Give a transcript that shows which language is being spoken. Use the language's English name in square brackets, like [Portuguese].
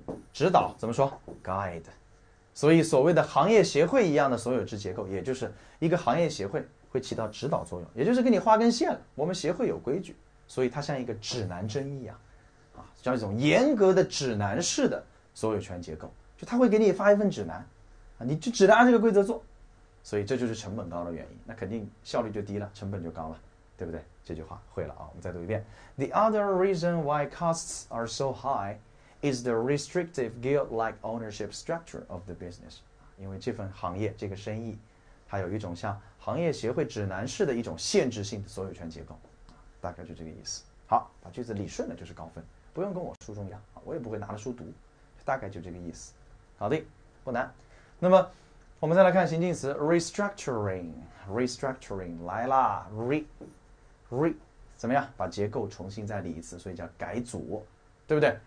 [Chinese] 指导怎么说 ？guide， 所以所谓的行业协会一样的所有制结构，也就是一个行业协会会起到指导作用，也就是给你划根线了。我们协会有规矩，所以它像一个指南针一样，啊，像一种严格的指南式的所有权结构，就它会给你发一份指南，啊，你就只能按这个规则做。所以这就是成本高的原因，那肯定效率就低了，成本就高了，对不对？这句话会了啊，我们再读一遍。 [English] The other reason why costs are so high is the restrictive guild-like ownership structure of the business. [Chinese] 因为这份行业，这个生意它有一种像行业协会指南式的一种限制性的所有权结构，大概就这个意思。好，把句子理顺了就是高分，不用跟我书中一样，我也不会拿着书读，大概就这个意思。好的，不难。那么我们再来看形近词 restructuring 来啦， re 怎么样，把结构重新再理一次，所以叫改组，对不对？